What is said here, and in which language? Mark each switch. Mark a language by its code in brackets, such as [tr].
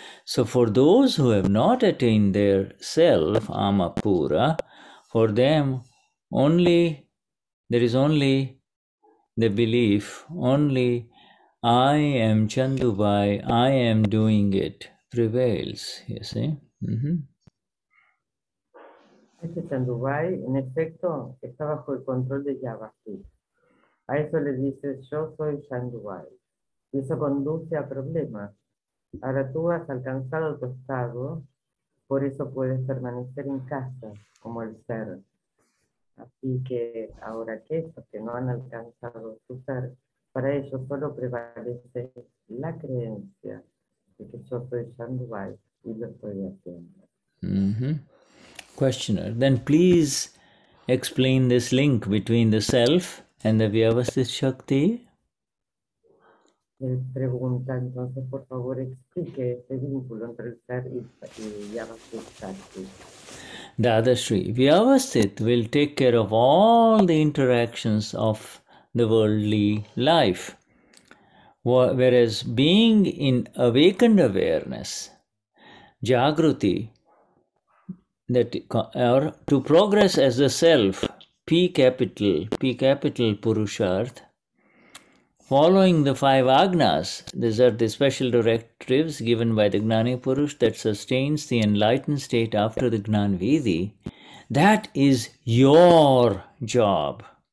[en] So for those who have not attained their self, Ama Pura, for them, only there is only the belief, only I am Chandubai, I am doing it, prevails, you see. [es] Este Chandubai, en efecto, está bajo el control de Vyavasthit. A eso le dices, yo soy Chandubai. Y eso conduce a problemas. Ahora tú has alcanzado tu estado, por eso puedes permanecer en casa, como el ser. Así que ahora que esos que no han alcanzado su ser, para ellos solo prevalece la creencia de que yo soy Chandubai y lo estoy haciendo. [en] Questioner, then please explain this link between the self and the Vyavasthit Shakti. [es] Pregunta, entonces, por favor, explique este vínculo entre el ser y Vyavasthit Shakti. [en] Dadashri, Vyavasthit will take care of all the interactions of the worldly life, whereas being in awakened awareness, Jagruti, that or to progress as the self, P capital Purushart, following the five Agnas, these are the special directives given by the Gnani Purush that sustains the enlightened state after the Gnan Vidhi, that is your job.